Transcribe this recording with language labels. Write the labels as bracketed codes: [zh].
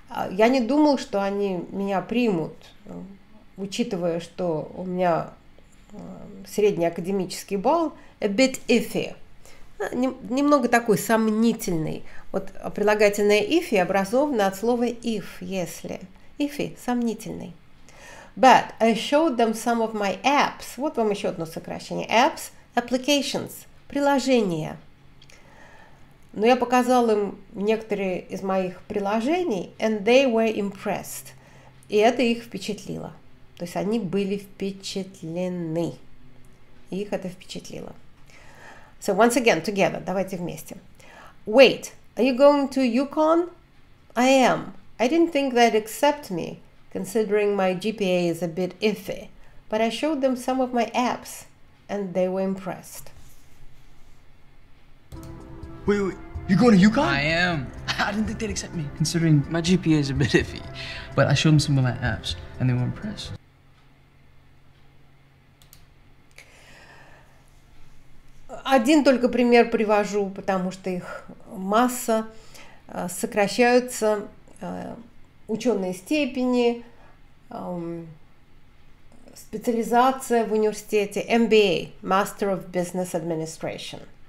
[ru] Я не думал, что они меня примут, учитывая, что у меня средний академический балл, [en] a bit iffy. [ru] Немного такой сомнительный. Вот прилагательное iffy образовано от слова if, если. Iffy – сомнительный. [en] But I showed them some of my apps. [ru] Вот вам еще одно сокращение. Apps – applications – приложения. Но я показал им некоторые из моих приложений, [en] and they were impressed. [ru] И это их впечатлило. То есть они были впечатлены. И их это впечатлило. [en] So once again, together, [ru] давайте вместе. [en] Wait, are you going to UConn? I am. I didn't think they'd accept me, considering my GPA is a bit iffy. But I showed them some of my apps, and they were impressed. Wait, wait, you're going to UConn? I am. I didn't think they'd accept me, considering my GPA is a bit iffy. But I showed them some of my apps, and they were impressed. [ru] Один только пример привожу, потому что их масса. Сокращаются ученые степени, специализация в университете, MBA, Master of Business Administration.